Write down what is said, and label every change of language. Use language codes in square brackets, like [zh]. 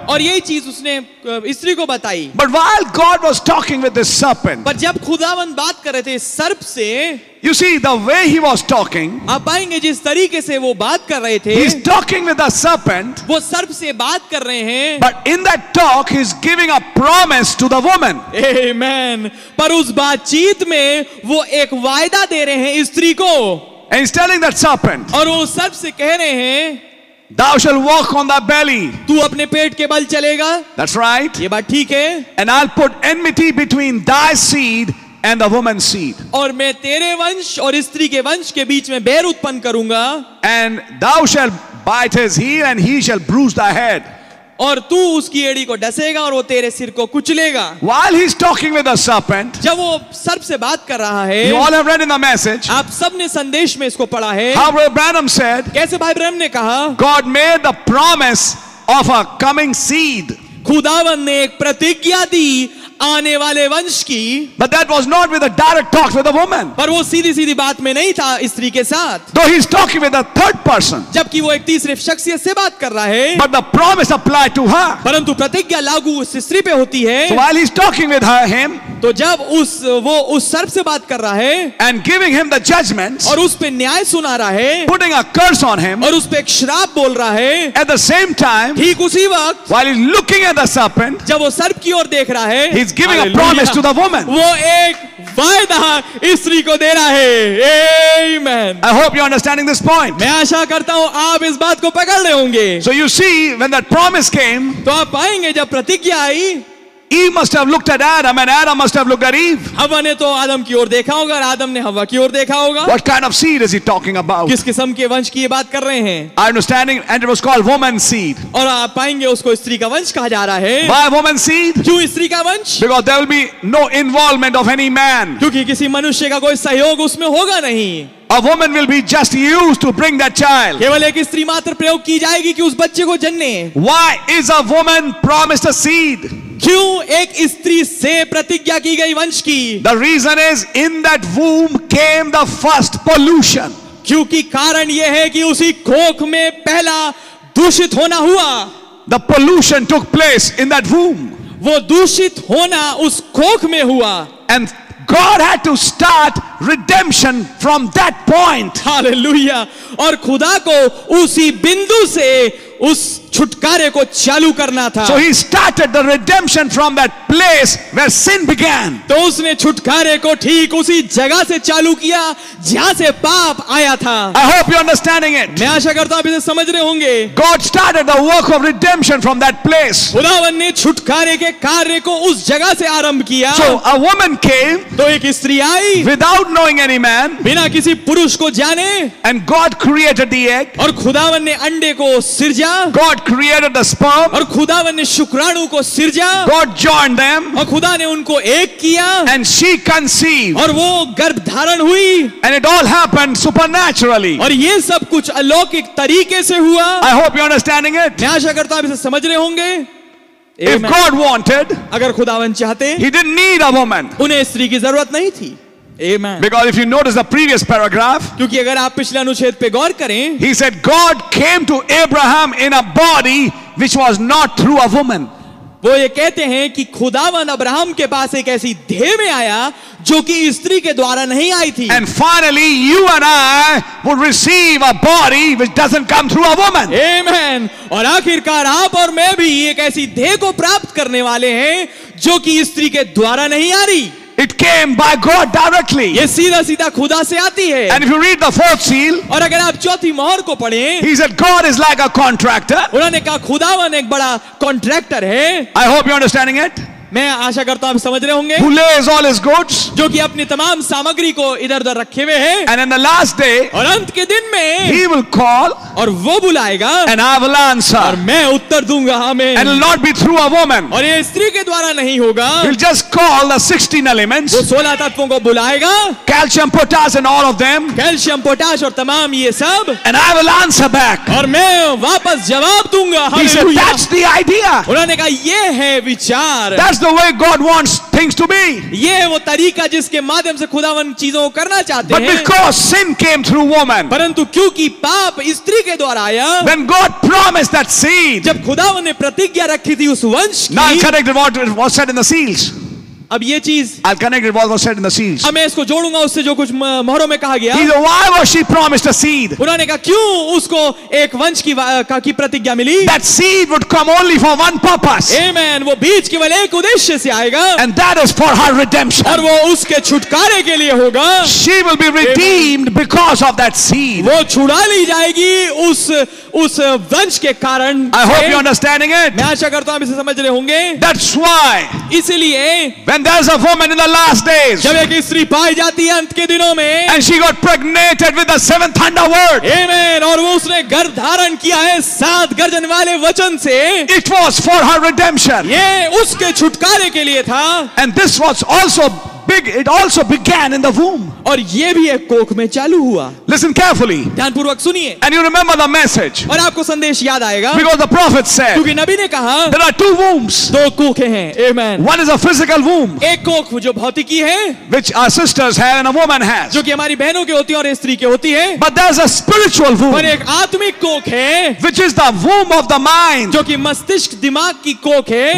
[hi] और यही चीज उसने स्त्री को बताई. [en] But while God was talking with the serpent. [hi] पर जब खुदावंद बात कर रहे थे सर्प से. [en] You see the way he was talking. [hi] आप पाएंगे जिस तरीके से वो बात कर रहे थे. [en] He is talking with the serpent. [hi] वो सर्प से बात कर रहे हैं. [en] But in that talk he is giving a promise to the woman. Amen. [hi] पर उस बातचीत में वो एक वायदा दे रहे हैं स्त्री को. [en] And he's telling that serpent. [hi] और वो सर्प से कह रहे हैं. [en] Thou shall walk on thy belly. [hi] तू अपने पेट के बल चलेगा. [en] That's right. [hi] ये बात ठीक है. [en] And I'll put enmity between thy seed and the woman's seed. [hi] और मैं तेरे वंश और स्त्री के वंश के बीच में बैर उत्पन्न करूंगा. [en] And thou shall bite his heel and he shall bruise thy head. [hi] और तू उसकी एड़ी को डसेगा और वो तेरे सिर को कुचलेगा. [en] While he's talking with the serpent, [hi] जब वो सर्प से बात कर रहा है. [en] You all have read in the message. [hi] आप सब ने संदेश में इसको पढ़ा है. [en] How Brother Branham said. [hi] कैसे भाई ब्रह्म ने कहा. [en] God made the promise of a coming seed. [hi] खुदावन ने एक प्रतिज्ञा दी आने वाले वंश की, [en] but that was not with a direct talk with a woman. [hi] पर वो सीधी सीधी बात में नहीं था स्त्री के साथ. [en] Though he's talking with a third person. [hi] जबकि वो एक तीसरे शख्सियत से बात कर रहा है. [en] But the promise applied to her. [hi] परंतु प्रतिज्ञा लागू उस स्त्री पे होती है. [en] So while he's talking with her, him. [hi] तो जब उस वो उस सर्प से बात कर रहा है. [en] And giving him the judgments. [hi] और उस पे न्याय सुना रहा है. [en] Putting a curse on him. [hi] और उस पे एक श्राप बोल रहा है. [en] At the same time. [hi] ठीक उसी वक्त. [en] While he's looking at the serpent. [hi] जब वो सर्प की ओर देख रहा है. [en] He's giving a promise to the woman. [hi] वो एक वादा स्त्री को दे रहा है. [en] Amen. I hope you're understanding this point. [hi] मैं आशा करता हूँ आप इस बात को पकड़ रहे होंगे. [en] So you see, when that promise came, [hi] तो आप पाएंगे जब प्रतिज्ञा आई. [en] Eve must have looked at Adam, and Adam must have looked at Eve. [hi] हवा ने तो आदम की ओर देखा होगा और आदम ने हवा की ओर देखा होगा. [en] What kind of seed is he talking about? [hi] किस किस्म के वंश की ये बात कर रहे हैं? [en] I understanding, and it was called woman seed. [hi] और आप पाएंगे उसको स्त्री का वंश कहा जा रहा है. [en] Why woman seed? [hi] क्यों स्त्री का वंश? [en] Because there will be no involvement of any man. [hi] क्योंकि किसी मनुष्य का कोई सहयोग उसमें होगा नहीं. [en] A woman will be just used to bring that child. [hi] केवल एक स्त्री मात्र प्रयोग की जाएगी कि उस बच्चे को जन्ने. [en] Why is a woman promised a seed? [hi] क्यों एक स्त्री से प्रतिज्ञा की गई वंश की? [en] The reason is in that womb came the first pollution. [hi] क्योंकि कारण यह है कि उसी कोख में पहला दूषित होना हुआ. [en] The pollution took place in that womb. [hi] वो दूषित होना उस कोख में हुआ. [en] And God had to start redemption from that point. Hallelujah. [hi] और खुदा को उसी बिंदु से उस छुटकारे को चालू करना था. [en] So he started the redemption from that place where sin began. [hi] तो उसने छुटकारे को ठीक उसी जगह से चालू किया जहां से पाप आया था. [en] I hope you're understanding it. [hi] मैं आशा करता हूं आप इसे समझ रहे होंगे. [en] God started the work of redemption from that place. [hi] खुदावन ने छुटकारे के कार्य को उस जगह से आरंभ किया. [en] So a woman came. [hi] तो एक स्त्री आई. [en] Without knowing any man. [hi] बिना किसी पुरुष को जाने. [en] And God created the egg. [hi] और खुदावन ने अंडे को सृजा. [en] God created the sperm. [hi] और खुदावन ने शुक्राणु को सृजा. [en] God joined them. [hi] और खुदा ने उनको एक किया. [en] And she conceived. [hi] और वो गर्भ धारण हुई. [en] And it all happened supernaturally. [hi] और ये सब कुछ अलौकिक तरीके से हुआ. [en] I hope you're understanding it. [hi] मैं आशा करता हूं आप इसे समझ रहे होंगे. [en] If God wanted, [hi] अगर खुदावन चाहते, [en] he didn't need a woman. [hi] उन्हें स्त्री की जरूरत नहीं थी. [en] Amen. Because if you notice the previous paragraph, [hi] क्योंकि अगर आप पिछले अनुच्छेद पे गौर करें, [en] he said God came to Abraham in a body which was not through a woman. [hi] वो ये कहते हैं कि खुदावन अब्राहम के पास एक ऐसी देह में आया जो कि स्त्री के द्वारा नहीं आई थी. [en] And finally, you and I would receive a body which doesn't come through a woman. Amen. [hi] और आखिरकार आप और मैं भी एक ऐसी देह को प्राप्त करने वाले हैं जो कि स्त्री के द्वारा नहीं आ रही. [en] It came by God directly. [hi] ये सीधा सीधा खुदा से आती है. [en] And if you read the fourth seal, [hi] और अगर आप चौथी मोहर को पढ़ें, [en] he said God is like a contractor. [hi] उन्होंने कहा खुदावन एक बड़ा कॉन्ट्रैक्टर है. [en] I hope you're understanding it. [hi] मैं आशा करता हूं आप समझ रहे होंगे. [en] Who lays all his goods, [hi] जो कि अपनी तमाम सामग्री को इधर उधर रखे हुए हैं. [en] And in the last day, [hi] और अंत के दिन में, [en] he will call, [hi] और वो बुलाएगा. [en] And I will answer, [hi] और मैं उत्तर दूंगा. आमेन. [en] And it'll not be through a woman, [hi] और ये स्त्री के द्वारा नहीं होगा. [en] He'll just call the 16 elements, [hi] वो 16 तत्वों को बुलाएगा. [en] Calcium, potash and all of them, [hi] calcium potash और तमाम ये सब. [en] And I will answer back, [hi] और मैं वापस जवाब दूंगा. [en] He said, that's the idea. [hi] उन्होंने कहा ये है विचार. [en] That's the way God wants things to be. [hi] ये वो तरीका जिसके माध्यम से खुदावन चीजों को करना चाहते हैं. [en] But because sin came through woman, [hi] परंतु क्योंकि पाप स्त्री के द्वारा आया, [en] when God promised that seed, [hi] जब खुदावन ने प्रतिज्ञा रखी थी उस वंश की, [en] now I'll connect what was said in the seals. [hi] अब ये चीज, [en] I'll connect what was said in the seals. [hi] अब मैं इसको जोड़ूंगा उससे जो कुछ मोहरों में कहा गया. [en] He said, why was she promised a seed? [hi] उन्होंने कहा क्यों उसको एक वंश की प्रतिज्ञा मिली? [en] That seed would come only for one purpose. Amen. [hi] वो बीज केवल एक उद्देश्य से आएगा. [en] And that is for her redemption. [hi] और वो उसके छुटकारे के लिए होगा. [en] She will be redeemed because of that seed. [hi] वो छुड़ा ली जाएगी उस वंश के कारण. [en] I hope you're understanding it. [hi] मैं आशा करता हूं आप इसे समझ रहे होंगे. [en] That's why. [hi] इसलिए. [en] When there's a woman in the last days, [hi] जब एक स्त्री पाई जाती है अंत के दिनों में, [en] and she got pregnated with the seventh thunder word, [hi] amen, और वो उसने गर्भ धारण किया है सात गर्जन वाले वचन से, [en] it was for her redemption, [hi] ये उसके छुटकारे के लिए था, [en] and this was also big, it also began in the womb. [hi] और ये भी एक कोख में चालू हुआ. [en] Listen carefully. [hi] ध्यानपूर्वक सुनिए. [en] And you remember the message. [hi] और आपको संदेश याद आएगा. [en] Because the prophet said. [hi] क्योंकि नबी ने कहा. [en] There are two wombs. [hi] दो कोखें हैं. Amen. [en] One is a physical womb. [hi] एक कोख जो भौतिकी है. [en] Which our sisters have and a woman has. [hi] जो कि हमारी बहनों के होती है और स्त्री के होती है. [en] But there's a spiritual womb. [hi] पर एक आत्मिक कोख है. [en] Which is the womb of the mind. [hi] जो कि मस्तिष्क दिमाग की कोख है.